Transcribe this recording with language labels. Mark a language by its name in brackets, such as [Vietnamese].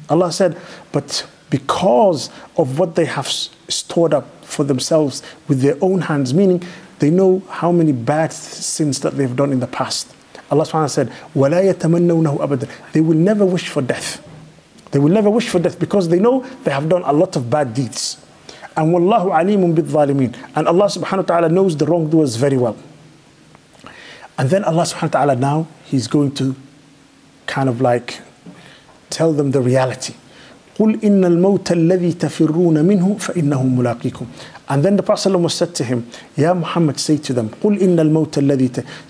[English] Allah said, but because of what they have stored up for themselves with their own hands, meaning they know how many bad sins that they've done in the past. Allah subhanahu wa ta'ala said, [Arabic] وَلَا يَتَمَنَّوْنَهُ أَبَدًا. [English] They will never wish for death. They will never wish for death because they know they have done a lot of bad deeds. [Arabic] And وَاللَّهُ عَلِيمٌ بِالظَّالِمِينَ. [English] And Allah subhanahu wa ta'ala knows the wrongdoers very well. And then Allah subhanahu wa ta'ala, now he's going to kind of like tell them the reality. [Arabic] قُلْ إِنَّ الْمَوْتَ الَّذِي تَفِرُّونَ مِنْهُ فَإِنَّهُ مُلَاقِيكُمْ. [English] And then the Prophet ﷺ was said to him, Ya Muhammad, say to them, [Arabic] قُلْ إِنَّ الْمَوْتَ الَّذِي تَفِرُّونَ.